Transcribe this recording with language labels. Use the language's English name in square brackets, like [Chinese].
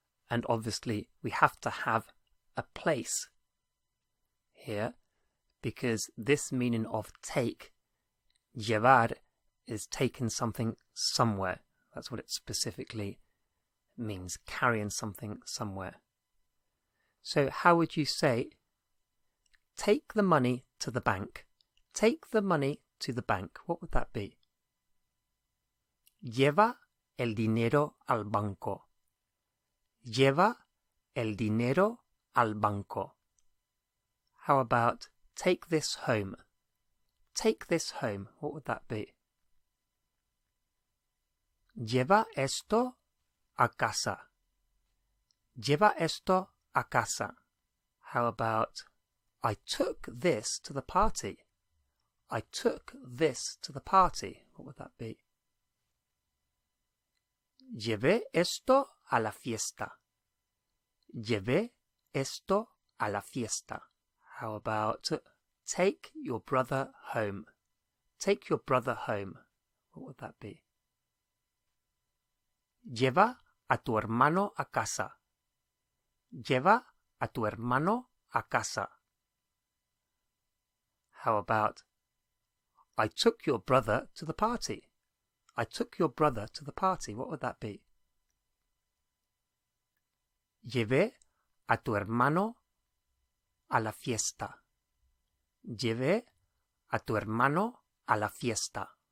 [English] And obviously, we have to have a place here, because this meaning of take, llevar, is taking something somewhere. That's what it specifically means, carrying something somewhere. So how would you say, take the money to the bank? Take the money to the bank. What would that be? [Spanish] Lleva el dinero al banco. Lleva el dinero al banco. [English] How about take this home? Take this home. What would that be? [Spanish] Lleva esto a casa. Lleva esto a casa. [English] How about I took this to the party? I took this to the party. What would that be? [Spanish] Llevé esto a la fiesta. Llevé esto a la fiesta. [English] How about take your brother home? Take your brother home. What would that be? [Spanish] Lleva a tu hermano a casa. Lleva a tu hermano a casa. [English] How about I took your brother to the party? I took your brother to the party. What would that be? [Spanish] Llevé a tu hermano a la fiesta. Llevé a tu hermano a la fiesta.